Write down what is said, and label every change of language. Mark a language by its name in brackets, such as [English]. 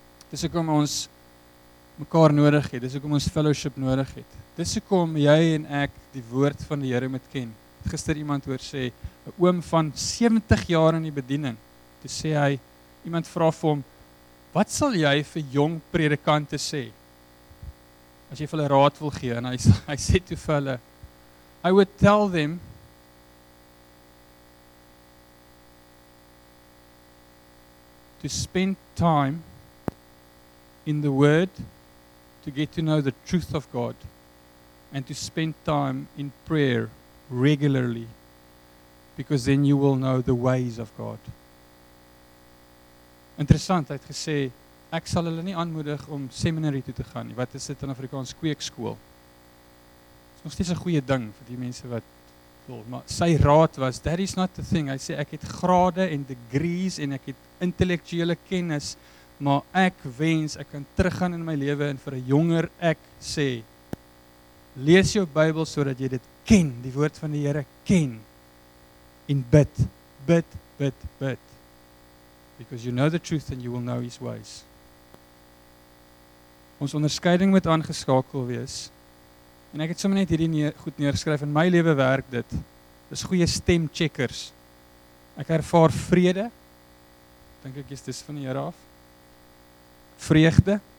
[Afrikaans] Dis hoekom ons mekaar nodig het, dis hoekom ons fellowship nodig het. Dis hoekom jy en ek die woord van die Here moet ken. Gister iemand hoor sê, 'n oom van 70 jaar in die bediening, toe sê hy, iemand vra vir hom, wat sal jy vir jong predikante sê? As jy vir hulle raad wil gee, en hy sê toe vir hulle, [English] I would tell them, to spend time in the word, to get to know the truth of God, and to spend time in prayer regularly, because then you will know the ways of God. [Afrikaans] Interessant, hy het gesê, Ek sal hulle nie aanmoedig om seminary toe te gaan nie. Wat is dit in Afrikaans? Kweekskool. Dit is nog steeds 'n goeie ding vir die mense wat wil. Maar sy raad was, [English] that is not the thing. [Afrikaans] Hy sê, ek het grade en degrees en ek het intellektuele kennis, maar ek wens, ek kan teruggaan in my lewe en vir 'n jonger ek sê, lees jou Bybel sodat jy dit ken, die woord van die Here ken. En bid, bid, bid, bid. [English] Because you know the truth and you will know his ways. [Afrikaans] Ons onderskeiding moet aangeskakel wees. En ek het sommer net hierdie goed neergeskryf. In my lewe werk dit. Dis goeie stemcheckers. Ek ervaar vrede. Dink ek is dis van die Here af. Vreugde.